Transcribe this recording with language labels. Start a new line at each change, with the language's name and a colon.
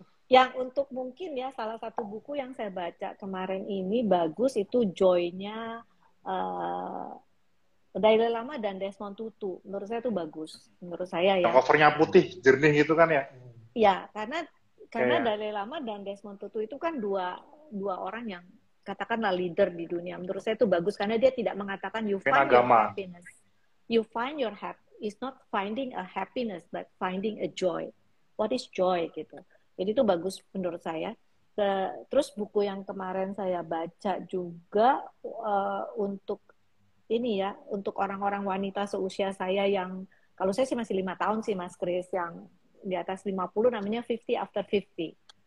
Indonesian: Yang untuk mungkin ya, salah satu buku yang saya baca kemarin ini bagus, itu Joy-nya Dalai Lama dan Desmond Tutu. Menurut saya itu bagus. Menurut saya ya. Covernya putih, jernih gitu kan ya? Ya, karena Dalai Lama dan Desmond Tutu itu kan dua orang yang katakanlah leader di dunia. Menurut saya itu bagus karena dia tidak mengatakan
English: you find agama. Your happiness. You find your happiness. It's not finding a happiness, but finding a joy. What is joy? Gitu.
Indonesian: Jadi itu bagus menurut saya. Terus buku yang kemarin saya baca juga untuk ini ya, untuk orang-orang wanita seusia saya yang, kalau saya sih masih 5 tahun sih Mas Chris, yang di atas 50 namanya 50 After 50.